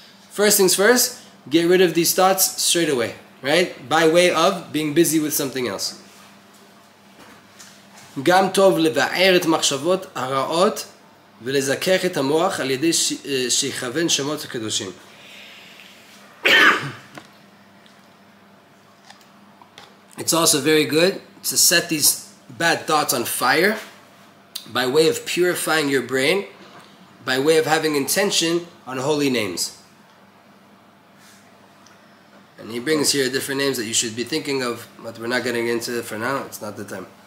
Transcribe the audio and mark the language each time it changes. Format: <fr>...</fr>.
<en>First things first, get rid of these thoughts straight away, right? By way of being busy with something else.</en> <he>גם טוב לבאר את מחשבות הרעות ולזכך את המוח על ידי שיכוון שמות הקדושים.</he> <en>It's also very good to set these bad thoughts on fire by way of purifying your brain, by way of having intention on holy names. And he brings here different names that you should be thinking of, but we're not getting into it for now. It's not the time.</en>